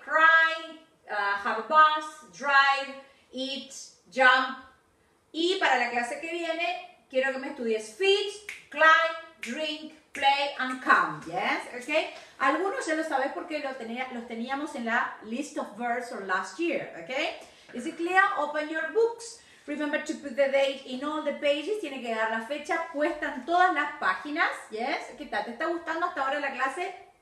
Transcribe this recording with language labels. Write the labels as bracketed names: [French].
[English] Cry, have a bath, drive, eat, jump. [Spanish] Y para la clase que viene, quiero que me estudies [English] feed, climb, drink, play, and come, ¿yes? Okay? [Spanish] Algunos ya lo sabes porque los teníamos en la [English] list of verbs from last year, okay? Is it clear? Open your books. Remember to put the date in all the pages. [Spanish] Tiene que dar la fecha puesta en todas las páginas. Yes. ¿Qué tal? ¿Te está gustando hasta ahora la clase?